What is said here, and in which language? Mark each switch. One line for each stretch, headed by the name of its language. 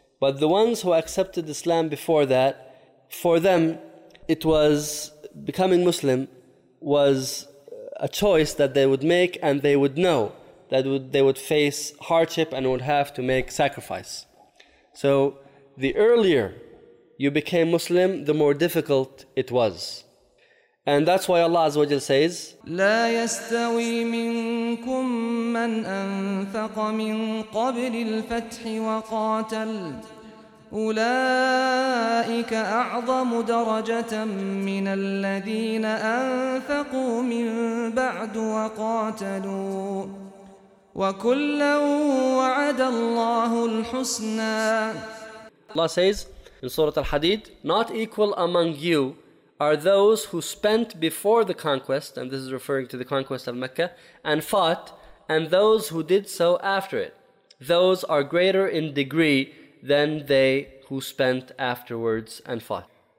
English: But the ones who accepted Islam before that, for them, it was becoming Muslim was a choice that they would make, and they would know that they would face hardship and would have to make sacrifice. So the earlier you became Muslim, the more difficult it was. And that's why Allah Azza wa Jalla says,
Arabic: لا يستوي منكم من أنفق من قبل الفتح وقاتل أولئك أعظم درجة من الذين أنفقوا من بعد وقاتلوا وَكُلَّا وَعَدَ اللَّهُ الْحُسْنَى.
English: Allah says in Surah Al-Hadid, not equal among you are those who spent before the conquest, and this is referring to the conquest of Mecca, and fought, and those who did so after it. Those are greater in degree than they who spent afterwards and fought.